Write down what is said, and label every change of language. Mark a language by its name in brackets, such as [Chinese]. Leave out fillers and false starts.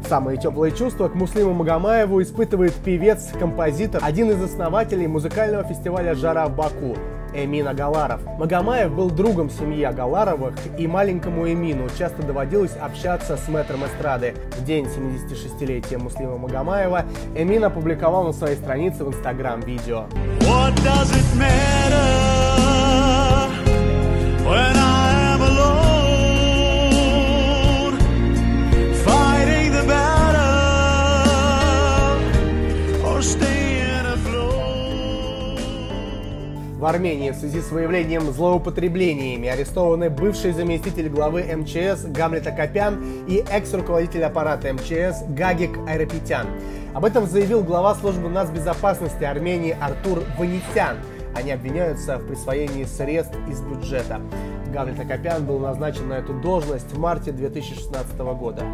[Russian] Самые теплые чувства к Муслиму Магомаеву испытывает певец, композитор, один из основателей музыкального фестиваля «Жара» в Баку Эмин Агаларов. Магомаев был другом семьи Агаларовых, и маленькому Эмину часто доводилось общаться с мэтром эстрады. В день 76-летия Муслима Магомаева Эмин опубликовал на своей странице в Instagram видео. [English] What does it matter when I am alone, fighting the battle or staying afloat? [Russian] В Армении в связи с выявлением злоупотреблениями арестованы бывший заместитель главы МЧС Гамлет Акопян и экс-руководитель аппарата МЧС Гагик Айрапетян. Об этом заявил глава службы нацбезопасности Армении Артур Ванесян. Они обвиняются в присвоении средств из бюджета. Гамлет Акопян был назначен на эту должность в марте 2016 года.